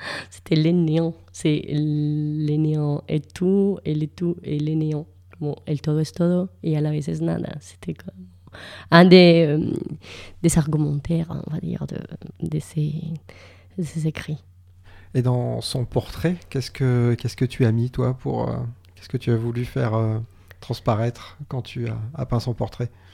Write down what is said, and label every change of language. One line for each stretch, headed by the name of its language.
French: C'était les néants. C'est les néants et tout, et les tout et les néants.
Spanish: Bon, el todo es todo, et a la vez es nada.
French: C'était comme un des argumentaires, on va dire, de ces écrits. Et dans son portrait, qu'est-ce que tu as mis, toi, pour... qu'est-ce que tu as voulu faire transparaître quand tu as peint son portrait?